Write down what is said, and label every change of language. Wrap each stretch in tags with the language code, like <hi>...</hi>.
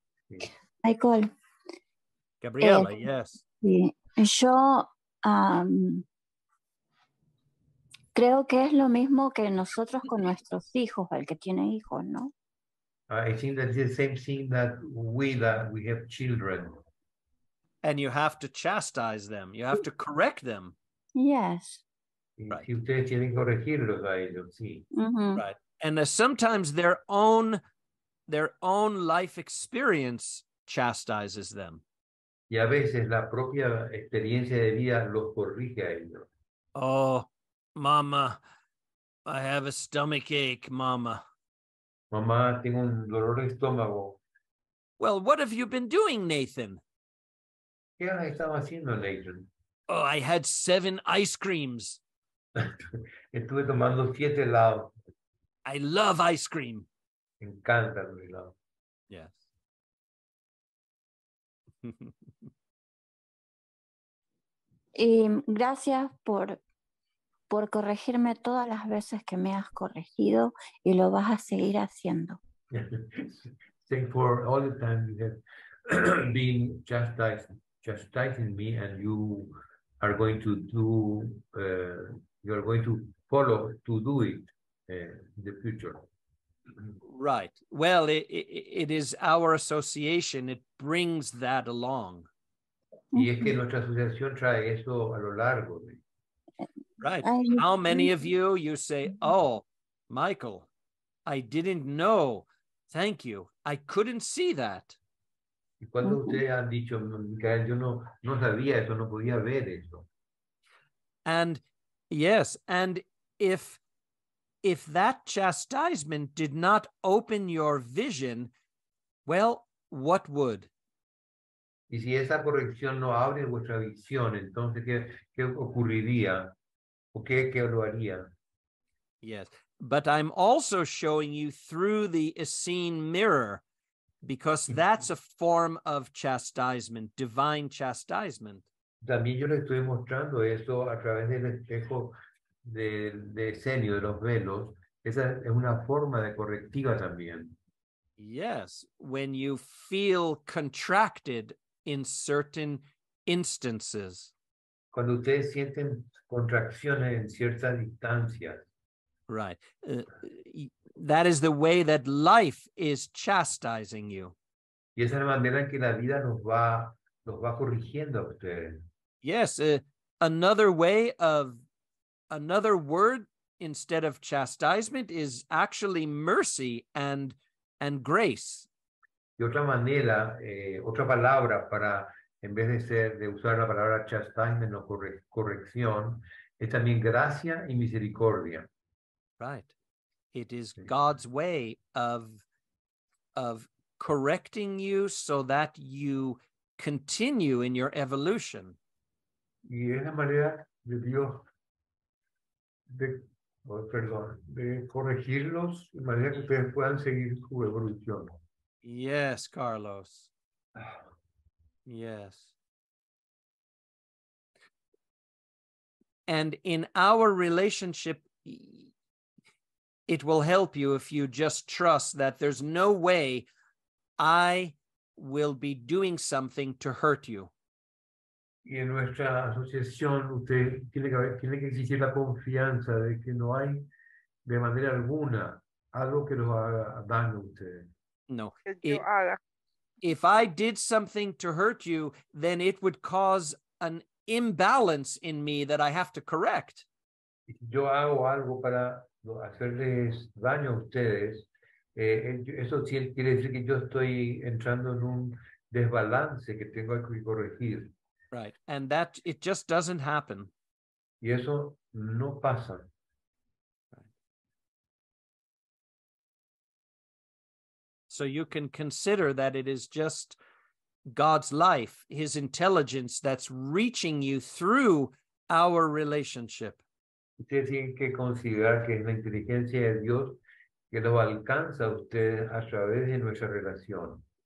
<es>Sí. Michael.</es> <en>Gabriela, yes.</en> <es>Sí. Yo creo que es lo mismo que nosotros con nuestros hijos, el que tiene hijos, ¿no?</es> <en>I think that's the same thing that we have children. And you have to chastise them. You have to correct them. Yes. Right.</en> <es>Ustedes tienen corregirlos a ellos, sí. Mm-hmm.</es> <en>Right. And sometimes their own life experience chastises them.</en> <es>Y a veces la propia experiencia de vida los corrige a ellos.</es> <en>Oh, mama, I have a stomach ache, mama.</en> <es>Mamá, tengo un dolor de estómago.</es> <en>Well, what have you been doing, Nathan?</en> <es>¿Qué has estado haciendo, Nathan?</es> <en>Oh, I had 7 ice creams.</en> <es>Estuve tomando 7 helados.</es> <en>I love ice cream.</en> <es>Me encanta el helado.</es> <en>Yes.</en> <es>Y gracias por corregirme todas las veces que me has corregido y lo vas a seguir haciendo.</es> <en>Thank you for all the time you have been chastising me, and you are going to follow it in the future. Right. Well, it is our association. It brings that along.</en> <es>Y es que nuestra asociación trae eso a lo largo.</es> <en>Right. How many of you say, oh, Michael, I didn't know. Thank you. I couldn't see that.</en> <es>¿Y cuando ustedes han dicho, Michael, yo no sabía eso, no podía ver eso?</es> <en>And yes, and if that chastisement did not open your vision, well, what would?</en> <es>Y si esa corrección no abre vuestra visión, entonces qué ocurriría? ¿O qué lo haría?</es> <en>Yes, but I'm also showing you through the Essene mirror, because that's a form of chastisement, divine chastisement.</en> <es>También yo le estoy mostrando eso a través del espejo de Esenio, de los velos. Esa es una forma de correctiva también.</es> <en>Yes, when you feel contracted in certain instances.</en> <es>Cuando ustedes sienten contracciones en ciertas instancias.</es> <en>Right. That is the way that life is chastising you.</en> <es>Y esa es la manera en que la vida nos va corrigiendo a ustedes.</es> <en>Yes, another word instead of chastisement is actually mercy and grace.</en> <es>Y otra manera, otra palabra para, en vez de usar la palabra chastisement o corrección, es también gracia y misericordia.</es> <en>Right. It is God's way of correcting you so that you continue in your evolution.</en> <es>Y es la manera de Dios de corregirlos de manera que ustedes puedan seguir su evolución.</es> <en>Yes, Carlos. Yes. And in our relationship, it will help you if you just trust that there's no way I will be doing something to hurt you.</en> <es>Y en nuestra asociación usted tiene que existir la confianza de que no hay de manera alguna algo que los haga daño a usted. No.</es> <en>If I did something to hurt you, then it would cause an imbalance in me that I have to correct.</en> <es>Yo hago algo para hacerles daño a ustedes. Eso quiere decir que yo estoy entrando en un desbalance que tengo que corregir.</es> <en>Right, and that it just doesn't happen.</en> <es>Y eso no pasa.</es> <en>So you can consider that it is just God's life, his intelligence that's reaching you through our relationship.</en> <es>Ustedes tienen que considerar que es la inteligencia de Dios que lo alcanza a ustedes a través de nuestra relación.</es>